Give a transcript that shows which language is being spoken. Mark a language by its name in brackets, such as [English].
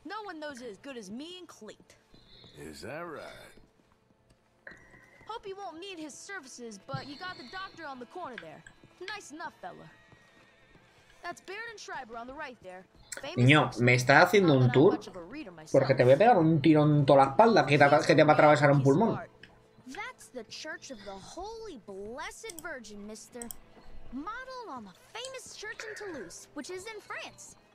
[English] No one knows as good as me and Cleet. Is that right? Hope you won't need his services, but you got the doctor on the corner there. Nice enough, fella. That's Baird and Schreiber on the right there. [Spanish] Niño, me está haciendo un tour. Porque te voy a pegar un tiro en toda la espalda que te va a atravesar un pulmón. [English] That's the Church of the Holy Blessed Virgin, mister. Modeled on the famous church in Toulouse, which is in France.